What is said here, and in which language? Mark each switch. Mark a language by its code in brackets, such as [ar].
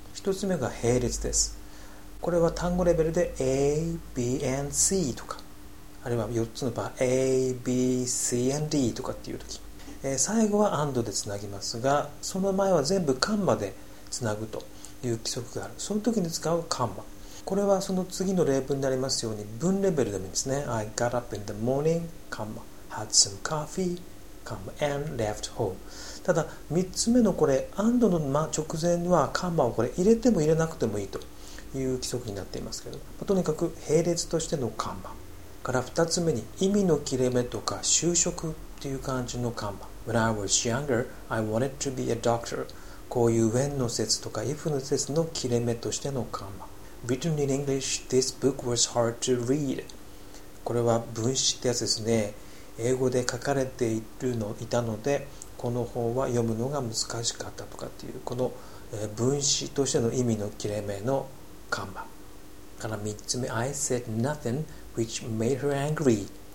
[ja] 1つ目が並列です。これは単語レベルで A、B、and C とか、あるいは4つの場合 A、B、C、and D とかっていう時、最後は and でつなぎますが、その前は全部カンマでつなぐという規則がある。その時に使うカンマ、これはその次の例文になりますように文レベルでもいいですね。 [en] I got up in the morning, comma, had some coffee, comma, and left home。 [ja] ただ3つ目のこれ and の直前はカンマをこれ入れても入れなくてもいいという規則になっていますけど、とにかく並列としてのカンマから2つ目に意味の切れ目とか就職っていう感じのカンマ。 [en] When I was younger, I wanted to be a doctor。 [ja] こういう when の説とか if の説の切れ目としてのカンマ。 [en] Written in English, this book was hard to read。 [ja] これは文詞ってやつですね。英語で書かれているのいたのでこの本は読むのが難しかったとかっていう、この文詞としての意味の切れ目のカンマから3つ目 [en] I said nothing which made her angry。